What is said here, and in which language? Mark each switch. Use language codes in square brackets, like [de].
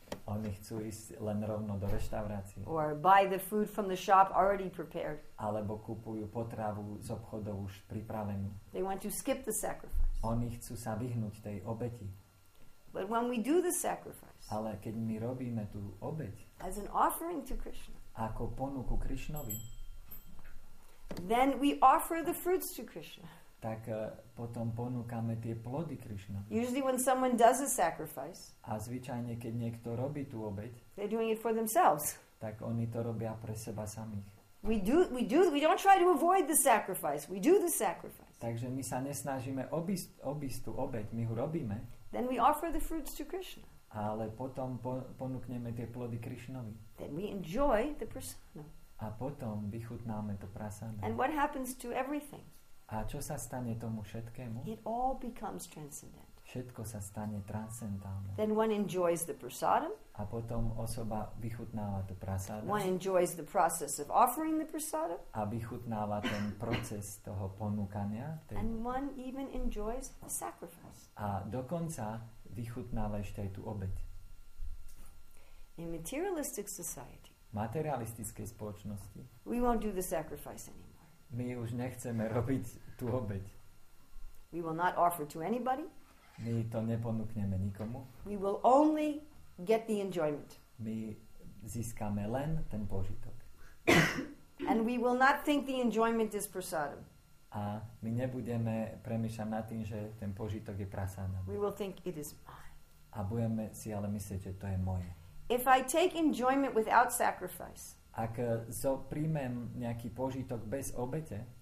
[sk] Oni chcú ísť len rovno do reštaurácie. [en] Or buy the food from the shop already prepared. [sk] Alebo kupujú potravu z obchodu už pripravenú. [en] They want to skip the sacrifice. [sk] Oni chcú sa vyhnúť tej obeti. [en] But when we do the sacrifice, [sk] ale keď my robíme tú obeť, [en] as an offering to Krishna, [sk] ako ponuku Krišnovi, [en] then we offer the fruits to Krishna. [sk] Tak potom ponúkame tie plody Krishna. [en] Usually when someone does a sacrifice, [sk] a zvyčajne keď niekto robí tú obeť, [en] they're doing it for themselves. [sk] Tak oni to robia pre seba samých. [en] We don't try to avoid the sacrifice. We do the sacrifice. [sk] Takže my sa nesnažíme obísť tú obeť, my ho robíme. [en] Then we offer the fruits to Krishna. [sk] Ale potom ponúkneme tie plody Krišnovi. [en] Then we enjoy the prasadam. [sk] A potom vychutnáme to prasadam. [en] And what happens to everything? [sk] A čo sa stane tomu všetkému? [en] It all becomes transcendent. [sk] Všetko sa stane transcendentálne. [en] Then one enjoys the prasadam. [sk] A potom osoba vychutnáva to prasadam. [en] One enjoys the process of offering the prasadam. [sk] A vychutnáva ten proces toho ponúkania. [en] And one even enjoys the sacrifice. [sk] A dokonca vychutnáva ešte aj tú obeť. [en] In materialistic society. [sk] Materialistickej spoločnosti. [en] We won't do the sacrifice anymore. [sk] My už nechceme robiť tú obeť. [en] We will not offer to anybody. [sk] My to neponúkneme nikomu. [en] We will only get the enjoyment. [sk] My získame len ten požitok. [en] And we will not think the enjoyment is prasadam. [sk] A my nebudeme premýšľať nad tým, že ten požitok je prasadam. [en] We will think it is mine. [sk] A budeme si ale myslieť, že to je moje. [en] If I take enjoyment without sacrifice. [sk] Ak príjmem nejaký požitok bez obete.